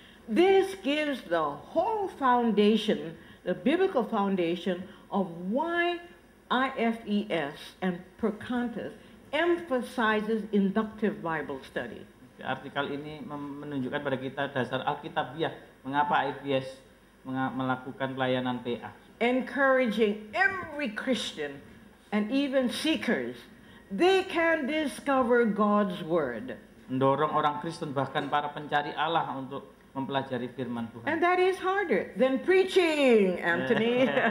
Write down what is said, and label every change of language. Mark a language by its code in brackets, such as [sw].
[en] This gives the whole foundation, the biblical foundation of why IFES and Perkantas emphasizes inductive Bible study. [id] Artikel ini menunjukkan pada kita dasar Alkitabiah mengapa IFES melakukan pelayanan PA. [en] Encouraging every Christian and even seekers, they can discover God's word. [id] Mendorong orang Kristen bahkan para pencari Allah untuk mempelajari firman Tuhan. [en] And that is harder than preaching, Anthony.